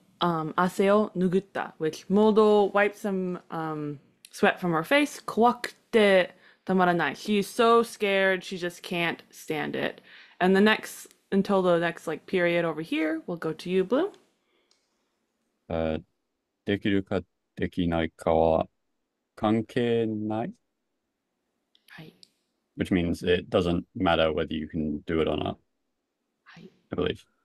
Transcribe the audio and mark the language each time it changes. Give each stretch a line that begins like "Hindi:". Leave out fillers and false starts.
English: Aseo nugutta, which Modo wiped some sweat from her face. Kowakute tamaranai. She's so scared, she just can't stand it. And the next, until the next like period over here, we'll go to you, Blue.
Japanese: できるかできないかは関係ない。
English: Which means it doesn't matter whether you can do it or not, I believe.